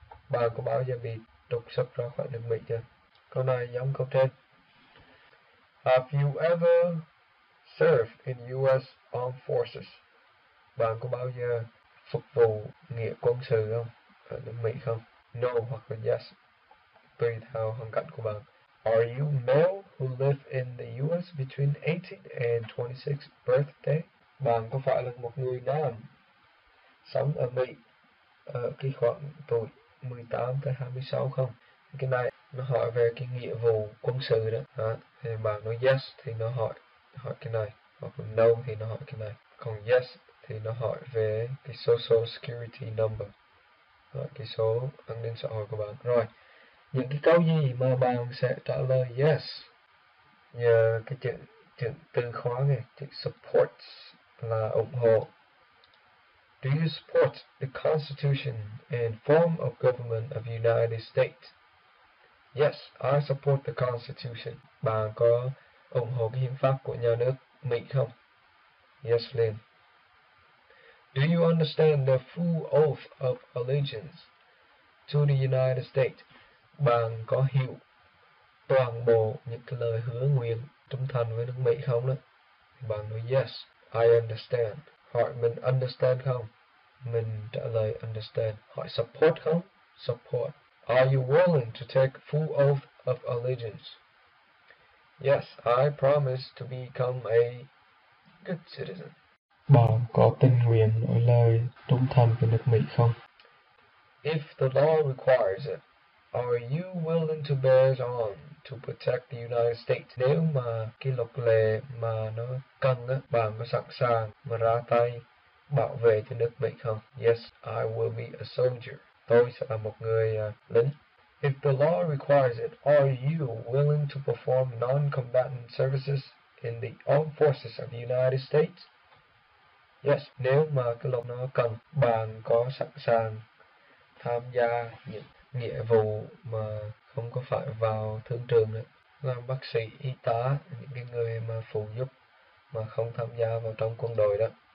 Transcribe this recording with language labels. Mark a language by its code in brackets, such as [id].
[vi] Bạn có bao giờ bị trục xuất ra khỏi nước Mỹ chưa? Câu này giống câu trên. [en] Have you ever served in US armed forces? [vi] Bạn có bao giờ phục vụ nghĩa quân sự không? Ở nước Mỹ không? No hoặc là yes. Tùy theo hoàn cảnh của bạn. [en] Are you male who live in the US between 18 and 26 birthday? [vi] Bạn có phải là một người nam sống ở Mỹ ở cái khoảng tuổi 18 tới 26 không? Cái này nó hỏi về cái nghĩa vụ quân sự đó. Đó. Thì bạn nói yes thì nó hỏi cái này. Hoặc là no thì nó hỏi cái này. Còn yes thì nó hỏi về cái social security number. Đó, cái số an ninh xã hội của bạn. Rồi. những cái câu gì mà bạn sẽ trả lời yes nhờ cái chữ chữ từ khóa này, chữ supports là ủng hộ. [en] Do you support the Constitution and form of government of United States? Yes, I support the Constitution. [vi] Bạn có ủng hộ cái hiến pháp của nhà nước Mỹ không? [en] Yes, Lynn. Do you understand the full oath of allegiance to the United States? [vi] Bạn có hiểu toàn bộ những cái lời hứa nguyện trung thành với nước Mỹ không đó? Bạn nói [en] yes, I understand. [vi] Hỏi mình understand không? Mình trả lời understand. Hỏi support không? Support. [en] Are you willing to take full oath of allegiance? Yes, I promise to become a good citizen. [vi] Bạn có tình nguyện nói lời trung thành với nước Mỹ không? [en] If the law requires it, are you willing to bear arms to protect the United States? [vi] Nếu mà cái luật lệ mà nó cần á, bạn có sẵn sàng mà ra tay bảo vệ cho nước Mỹ không? [en] Yes, I will be a soldier. [vi] Tôi sẽ là một người lính. [en] If the law requires it, are you willing to perform non-combatant services in the armed forces of the United States? [vi] Yes, nếu mà cái luật nó cần, bạn có sẵn sàng tham gia những nghĩa vụ mà không có phải vào thương trường nữa, làm bác sĩ, y tá, những cái người mà phụ giúp mà không tham gia vào trong quân đội đó.